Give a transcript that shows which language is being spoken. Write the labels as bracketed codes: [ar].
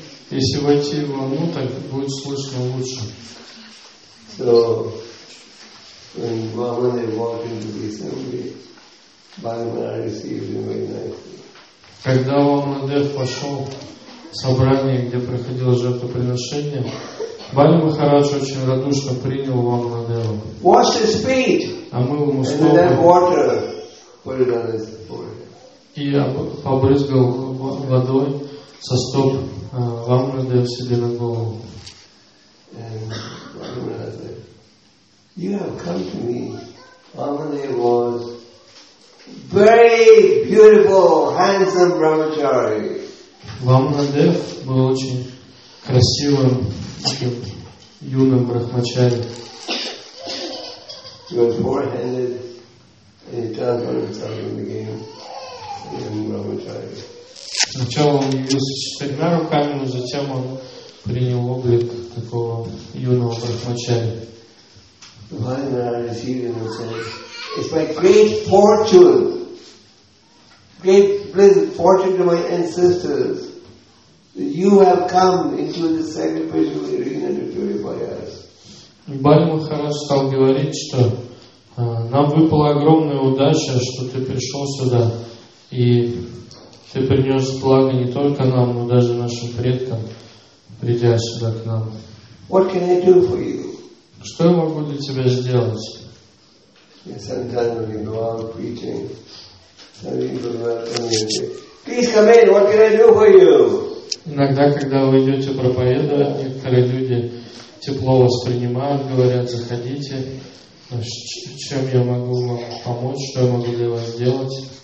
[ru] Если войти вовнутрь, будет слышно лучше. [en] So, when Vamadev walked into the assembly, Bali Maharaj received him very nicely. [ru] Когда Вамадев пошел в собрание, где проходило жертвоприношение, Бали Махарадж очень радушно принял Вамадева. [en] Wash his feet. [ru] Омыл ему стопы. [en] And then water put it on his forehead. [ru] И побрызгал водой со стоп Вамадев себе на голову. [en] You have come to me. Vamadev was very beautiful, handsome brahmachari. [ru] Вамадев был очень красивым юным брахмачари. [en] He was four-handed and he transformed himself and became a young brahmachari. [ru] Сначала он явился четырьмя руками, но затем он принял облик такого юного брахмачари. [en] Bali Maharaj received him and said, "It's my great fortune to my ancestors that you have come into the sacrificial arena to purify us." [ru] Bali Maharaj стал говорить, что нам выпала огромная удача, что ты пришел сюда и ты принес благо не только нам, но даже нашим предкам, придя сюда к нам. [en] What can I do for you? [ru] Что я могу для тебя сделать? [en] Yes, sometimes we go out preaching. Please come in, what can I do for you? [ru] Иногда, когда вы идете проповедовать, некоторые люди тепло воспринимают, говорят, заходите. Чем я могу вам помочь, что я могу для вас сделать?